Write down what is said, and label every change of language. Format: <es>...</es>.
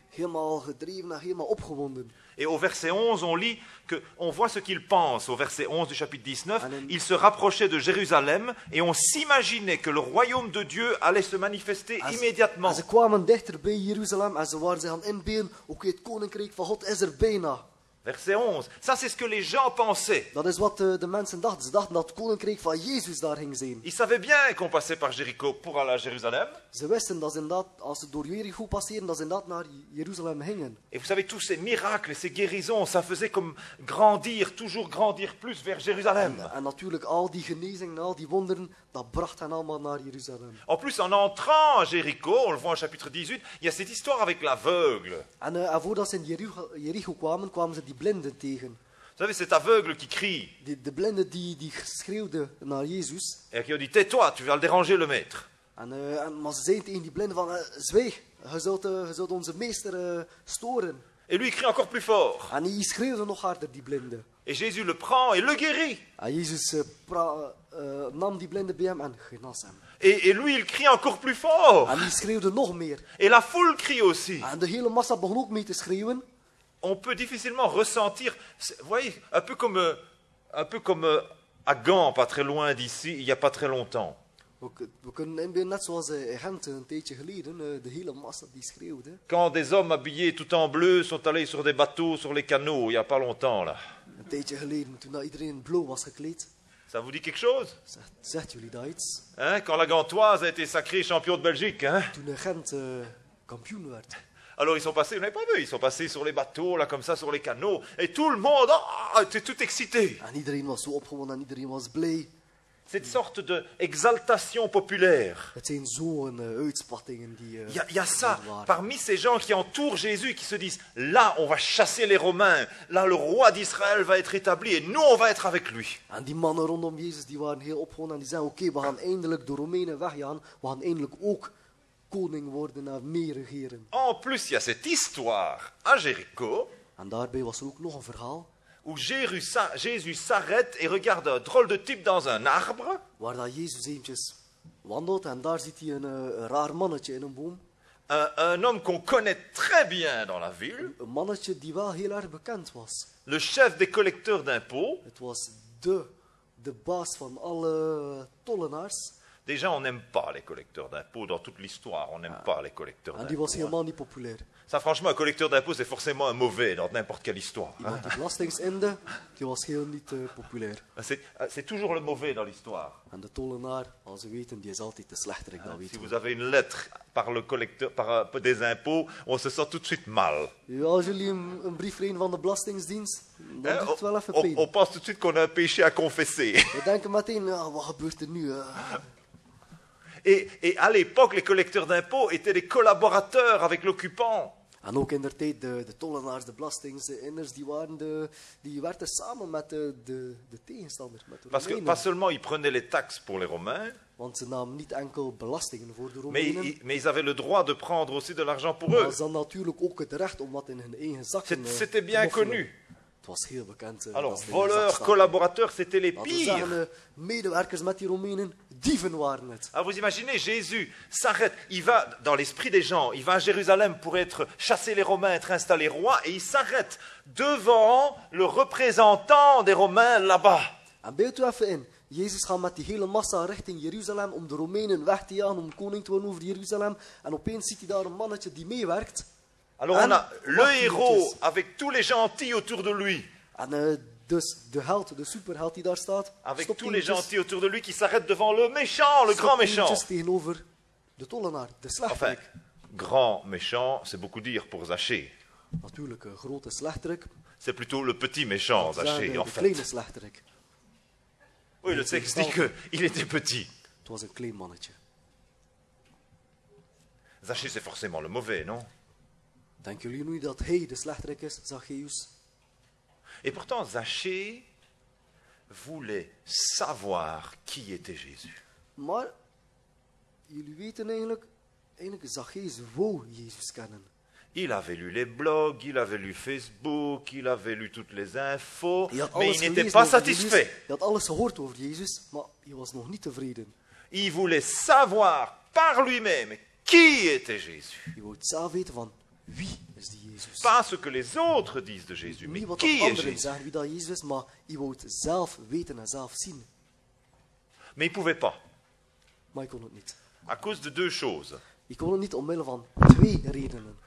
<nl>Helemaal gedreven en helemaal opgewonden.</nl> <fr>Et au verset 11, on lit que on voit ce qu'il pense. Au verset 11 du chapitre 19, il se rapprochait de Jérusalem et on s'imaginait que le royaume de Dieu allait se manifester immédiatement.</fr> <nl>Ze kwamen dichter bij Jeruzalem en ze waren zich aan inbeelden, oké, het koninkrijk van God is er bijna.</nl> <fr>Verset 11, ça c'est ce que les gens pensaient.</fr> <nl>Dat is wat de mensen dachten. Ze dachten dat het koninkrijk van Jezus daar ging zijn.</nl> <fr>Ils savaient bien qu'on passait par Jéricho pour aller à Jérusalem.</fr> <nl>Ze wisten dat inderdaad, als ze door Jéricho passeren, dat ze inderdaad naar Jeruzalem gingen.</nl> <fr>Et vous savez, tous ces miracles, ces guérisons, ça faisait comme grandir, toujours grandir plus vers Jérusalem.</fr> <nl>En natuurlijk, al die genezingen, al die wonderen, dat bracht hen allemaal naar Jeruzalem.</nl> <fr>En plus, en entrant à Jéricho, on le voit au chapitre 18, il y a cette histoire avec l'aveugle.</fr> <nl>En voordat ze in Jéricho kwamen, kwamen ze die blinden tegen.</nl> <fr>Vous savez, cet aveugle qui crie.</fr> <nl>De blinde die schreeuwde naar Jezus.</nl> <fr>Et qui dit, tais-toi, tu vas le déranger le maître.</fr> <nl>Maar ze zeiden tegen die blinde van, zwijg, je zult onze meester storen.</nl> <fr>Et lui, il crie encore plus fort.</fr> <nl>En hij schreeuwde nog harder, die blinde.</nl> <fr>Et Jésus le prend et le guérit.</fr> <nl>En Jezus nam die blinde bij hem en genas hem.</nl> <fr>Et lui, il crie encore plus fort.</fr> <nl>En hij schreeuwde nog meer.</nl> <fr>Et la foule crie aussi.</fr> <nl>En de hele massa begon ook mee te schreeuwen.</nl> <fr>On peut difficilement ressentir, vous voyez, un peu comme à Gand, pas très loin d'ici, il n'y a pas très longtemps.</fr> <nl>We kunnen inbeelden, net zoals in Gent een tijdje geleden, de hele massa die schreeuwde.</nl> <fr>Quand des hommes habillés tout en bleu sont allés sur des bateaux, sur les canaux, il n'y a pas longtemps là.</fr> <nl>Een tijdje geleden, toen iedereen in blauw was gekleed.</nl> <fr>Ça vous dit quelque chose?</fr> <nl>Zegt jullie dat iets?</nl> <fr>Hein, quand la Gantoise a été sacrée champion de Belgique, hein?</fr> <nl>Toen Gent kampioen werd.</nl> <fr>Alors ils sont passés, vous n'avez pas vu, ils sont passés sur les bateaux, là comme ça, sur les canaux, et tout le monde était tout excité.</fr> <nl>En iedereen was zo opgewonden, en iedereen was blij.</nl> <fr>Cette sorte d'exaltation populaire.</fr> <nl>Het zijn zo'n uitspattingen die...</nl> <fr>Il y a ça, parmi ces gens qui entourent Jésus, qui se disent, là on va chasser les Romains, là le roi d'Israël va être établi, et nous on va être avec lui.</fr> <nl>En die mannen rondom Jezus, die waren heel opgewonden, en die zeiden, oké, we gaan eindelijk de Romeinen weggaan, we gaan eindelijk ook... koning worden en meer regeren.</nl> <fr>En plus, il y a cette histoire à Jéricho.</fr> <nl>En daarbij was er ook nog een verhaal.</nl> <fr>Où Jésus s'arrête et regarde un drôle de type dans un arbre.</fr> <nl>Waar dat Jezus eventjes wandelt en daar ziet hij een raar mannetje in een boom.</nl> <fr>Un homme qu'on connaît très bien dans la ville.</fr> <nl>Een mannetje die wel heel erg bekend was.</nl> <fr>Le chef des collecteurs d'impôts.</fr> <nl>Het was de baas van alle tollenaars.</nl> <fr>Déjà, on n'aime pas les collecteurs d'impôts dans toute l'histoire. On n'aime pas les collecteurs d'impôts.</fr> <nl>Die was helemaal niet populair.</nl> <fr>Ça, franchement, un collecteur d'impôts, c'est forcément un mauvais dans n'importe quelle histoire.</fr> <nl>Iemand die belastingsende, die was heel niet populair.</nl> <fr>C'est toujours le mauvais dans l'histoire.</fr> <nl>En de tollenaar, als ze weten, die is altijd de slechterik dan weten.</nl> <fr>Si vous avez une lettre par le collecteur, par des impôts, on se sent tout de suite mal.</fr> <nl>Als jullie een brief krijgen van de belastingsdienst, dan doet het wel even pijn.</nl> <fr>On pense tout de suite qu'on a un péché à confesser.</fr> <nl>We denken meteen, wat gebeurt er nu?</nl> <fr>Et à l'époque, les collecteurs d'impôts étaient des collaborateurs avec l'occupant.</fr> <nl>En ook in der tijd, de tollenaars, de belastingsinners, die werkten samen met de tegenstander. Met de</nl> <fr>Parce que pas seulement ils prenaient les taxes pour les Romains.</fr> <nl>Want ze namen niet enkel belastingen voor de Romeinen.</nl> <fr>Mais ils avaient le droit de prendre aussi de l'argent pour eux.</fr> <nl>Ze hadden natuurlijk ook het recht om wat in hun eigen zak te mochten.</nl> <fr>C'était bien connu.</fr> <nl>Het was heel bekend.</nl> <fr>Alors, voleurs, collaborateurs, c'était les pires.</fr> <nl>Zeggen, medewerkers met die Romeinen, dieven waren het.</nl> <fr>Alors, vous imaginez, Jésus s'arrête, il va dans l'esprit des gens, il va à Jérusalem pour être chassé les Romains, être installé roi, et il s'arrête devant le représentant des Romains là-bas.</fr> <nl>En beeld u even in, Jezus gaat met die hele massa richting Jeruzalem om de Romeinen weg te jagen, om koning te worden over Jeruzalem, en opeens ziet hij daar een mannetje die meewerkt.</nl> <fr>Alors on a le héros avec tous les gentils autour de lui.</fr> <nl>En dus de held, de superheld die daar staat.</nl> <fr>Avec tous les gentils autour de lui qui s'arrête devant le méchant, le grand méchant.</fr> <nl>Stop tientjes tegenover de tollenaar, de slechterik.</nl> <fr>Enfin, grand méchant, c'est beaucoup dire pour Zachée.</fr> <nl>Natuurlijk, een grote slechterik.</nl> <fr>C'est plutôt le petit méchant, Zachée, en fait.</fr> <nl>De kleine slechterik.</nl> <fr>Oui, le texte dit qu'il était petit.</fr> <nl>Het was een klein mannetje.</nl> <fr>Zachée, c'est forcément le mauvais, non?</fr> <nl>Denken jullie nu dat hij de slechterik is, Zacchaeus?</nl> <fr>Et pourtant, Zachée voulait savoir qui était Jésus.</fr> <nl>Maar jullie weten eigenlijk Zacchaeus wou Jezus kennen.</nl> <fr>Il avait lu les blogs, il avait lu Facebook, il avait lu toutes les infos, mais il n'était pas satisfait.</fr> <nl>Il had alles gehoord over Jezus, maar hij was nog niet tevreden.</nl> <fr>Il voulait savoir par lui-même qui était Jésus. Il voulait</fr> <nl>zelf weten van wie is die Jezus?</nl> <fr>Pas ce que les autres disent de Jésus, mais qui est Jésus?</fr> <nl>Zeggen wie dat Jezus is, maar hij wou het zelf weten en zelf zien.</nl> <fr>Mais il pouvait pas.</fr> <nl>Maar hij kon het niet.</nl> <fr>À cause de deux choses.</fr> <nl>Hij kon het niet omwille van twee redenen.</nl>